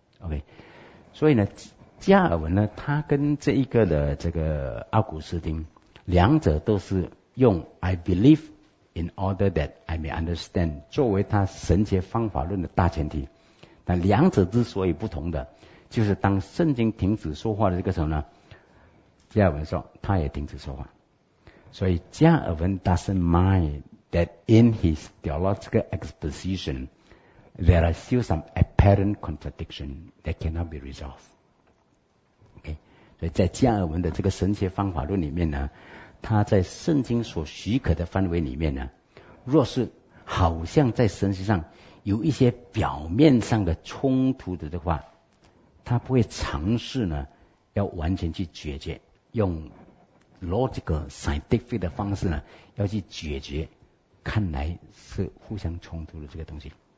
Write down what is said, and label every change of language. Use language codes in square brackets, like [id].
[zh] OK， 所以呢，加尔文呢，他跟这一个的这个奥古斯丁，两者都是用 [en] I believe in order that I may understand [zh] 作为他神学方法论的大前提。但两者之所以不同的，就是当圣经停止说话的这个时候呢，加尔文说他也停止说话。所以 [en] 加尔文 doesn't mind that in his theological exposition there are still some apparent contradiction that cannot be resolved。 [zh] Okay， 所以在加尔文的这个神学方法论里面呢，他在圣经所许可的范围里面呢，若是好像在神学上有一些表面上的冲突的话，他不会尝试呢要完全去解决，用 [en] logical scientific [zh] 的方式呢要去解决看来是互相冲突的这个东西。